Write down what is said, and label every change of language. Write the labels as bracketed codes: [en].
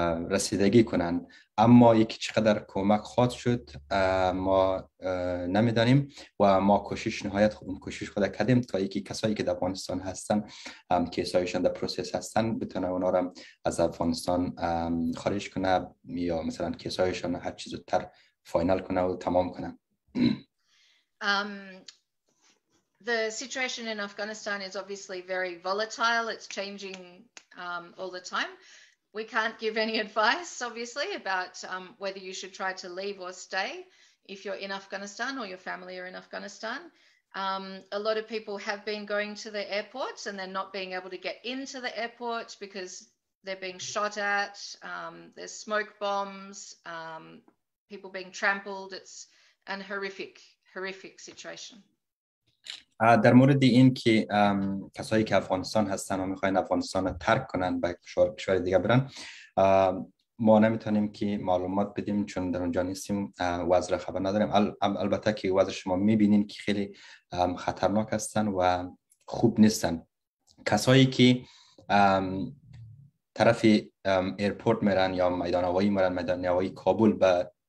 [fa] رسیدگی کنن اما یکی چقدر کمک خواد شد ما نمیدانیم و ما کوشش خود کردیم تا یکی کسایی که در افغانستان هستن کسایشان در پروسس هستن بتونه اونا را از افغانستان خارج کنه یا مثلا کسایشان هر چیز زودتر فاینل کنه و تمام کنه. [en] The situation in Afghanistan is obviously very volatile. It's changing all the time. We can't give any advice, obviously, about whether you should try to leave or stay if you're in Afghanistan or your family are in Afghanistan. A lot of people have been going to the airports and they're not being able to get into the airport because they're being shot at, there's smoke bombs, people being trampled. It's an horrific, horrific situation. [fa] در مورد این که کسایی که افغانستان هستن و میخواین افغانستان رو ترک کنن به کشور دیگه برن ما نمیتونیم که معلومات بدیم چون در اونجا نیستیم وضع را خبر نداریم البته که وضع شما میبینین که خیلی خطرناک هستن و خوب نیستن کسایی که طرف ایرپورت میرن یا میدان هوایی کابل به